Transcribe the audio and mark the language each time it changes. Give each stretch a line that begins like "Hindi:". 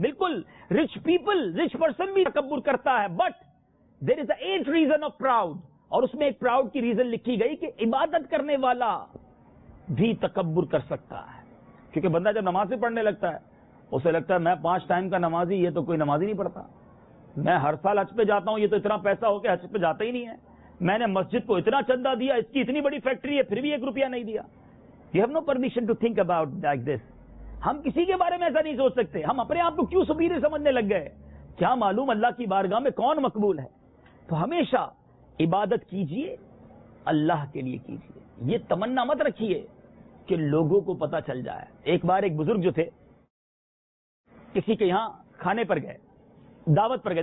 Urdu: بالکل
English: rich people rich person
Urdu: بھی تکبر کرتا ہے
English: but there is a reason of proud
Urdu: اور اس میں ایک پراؤڈ کی ریزن لکھی گئی کہ عبادت کرنے والا بھی تکبر کر سکتا ہے کیونکہ بندہ جب نماز پڑھنے لگتا ہے اسے لگتا ہے میں پانچ ٹائم کا نمازی یہ تو کوئی نماز ہی نہیں پڑھتا, میں ہر سال حج پہ جاتا ہوں یہ تو اتنا پیسہ ہو کے حج پہ جاتا ہی نہیں ہے, میں نے مسجد کو اتنا چندہ دیا اس کی اتنی بڑی فیکٹری ہے پھر بھی ایک روپیہ نہیں دیا.
English: You have no permission to think about like this.
Urdu: ہم کسی کے بارے میں ایسا نہیں سوچ سکتے. ہم اپنے آپ کو کیوں سپیریئر سمجھنے لگ گئے, کیا معلوم اللہ کی بارگاہ میں کون مقبول ہے. تو ہمیشہ عبادت کیجئے اللہ کے لیے کیجئے, یہ تمنا مت رکھیے کہ لوگوں کو پتا چل جائے. ایک بار ایک بزرگ جو تھے کسی کے یہاں کھانے پر گئے, دعوت پر گئے.